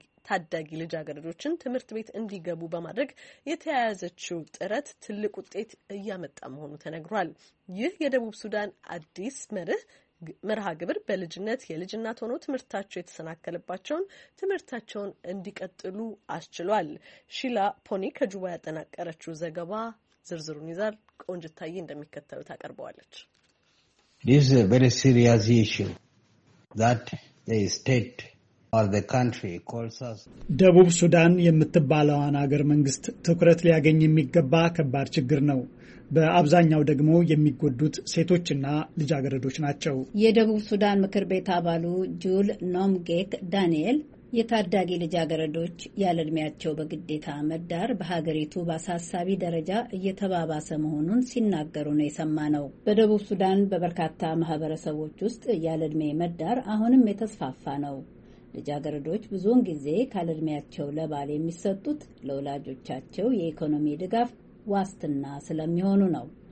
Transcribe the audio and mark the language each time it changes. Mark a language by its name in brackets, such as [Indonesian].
[Amharic] ታዳጊ ልጃገረዶችን ትምህርት ቤት እንዲገቡ በማድረግ የተያያዘችው ጥረት ትልቅ ውጤት እያመጣ መሆኑ ተነግሯል። ይህ የደቡብ ሱዳን አዲስ መርሃ ግብር በልጅነት የልጅናት ሆኖ ትምህርታቸው የተሰናከለባቸውን ትምህርታቸውን እንዲቀጥሉ አስችሏል። ሺላ ፖኒ ከጁባ ያጠናቀረችው ዘገባ ዝርዝሩን ይዛል። ቆንጅታዬ እንደሚከተሉ ታቀርበዋለች። [English] This is a very serious issue that the state or the country calls us. [Amharic] ደቡብ ሱዳን የምትባለዋን አገር መንግስት ትኩረት ሊያገኝ የሚገባ ከባድ ችግር ነው። በአብዛኛው ደግሞ የሚጎዱት ሴቶችና ልጃገረዶች ናቸው። የደቡብ ሱዳን ምክር ቤት አባሉ ጁል ኖምጌክ ዳንኤል የታዳጊ ልጃገረዶች ያለ እድሜያቸው በግዴታ መዳር በሀገሪቱ በአሳሳቢ ደረጃ እየተባባሰ መሆኑን ሲናገሩ ነው የሰማ ነው። በደቡብ ሱዳን በበርካታ ማህበረሰቦች ውስጥ ያለ እድሜ መዳር አሁንም የተስፋፋ ነው። ልጃገረዶች ብዙውን ጊዜ ካለ እድሜያቸው ለባል የሚሰጡት ለወላጆቻቸው የኢኮኖሚ ድጋፍ ዋስትና ስለሚሆኑ ነው።